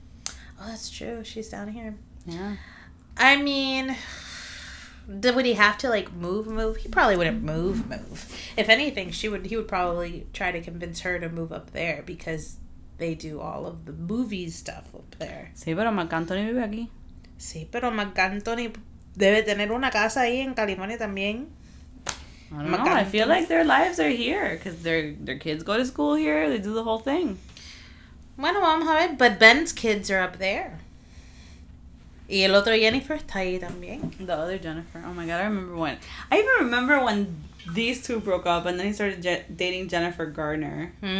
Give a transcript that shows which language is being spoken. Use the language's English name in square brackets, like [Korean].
[English] Oh, that's true. She's down here. Yeah. I mean, would he have to, like, move? He probably wouldn't move. If anything, he would probably try to convince her to move up there because they do all of the movie stuff up there. [Spanish] Sí, pero Marc Anthony vive aquí. Sí, pero Marc Anthony debe tener una casa ahí en California también. [English] I don't know. I feel like their lives are here because their kids go to school here. They do the whole thing. [Spanish] Bueno, vamos a ver. But Ben's kids are up there. Y el otro Jennifer está ahí también. [English] The other Jennifer. Oh my God, I remember when. I even remember when these two broke up and then he started dating Jennifer Garner.